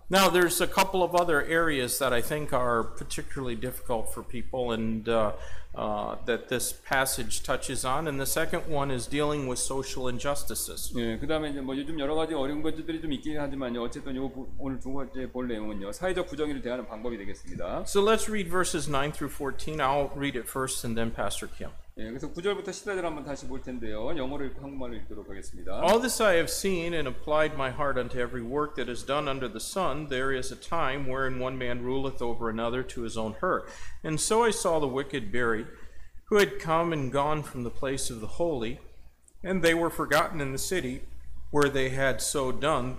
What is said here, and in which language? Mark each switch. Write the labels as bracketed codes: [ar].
[en] Now there's a couple of other areas that I think are particularly difficult for people and that this passage touches on and the second one is dealing with social injustices. [ko] 예, 그다음에 이제 뭐 요즘 여러 가지 어려운 것들이 좀 있긴 하지만 어쨌든 요 오늘 두 번째 볼 내용은요. 사회적 부정의를 대하는 방법이 되겠습니다. [en] So let's read verses 9 through 14. I'll read it first and then Pastor Kim. [ko] 예, 그래서 구절부터 14절 한번 다시 볼 텐데요. 영어로 읽고 한국말로 읽도록 하겠습니다. [en] All this I have seen and applied my heart unto every work that is done under the sun. There is a time wherein one man ruleth over another to his own hurt. And so I saw the wicked buried, who had come and gone from the place of the holy, and they were forgotten in the city where they had so done.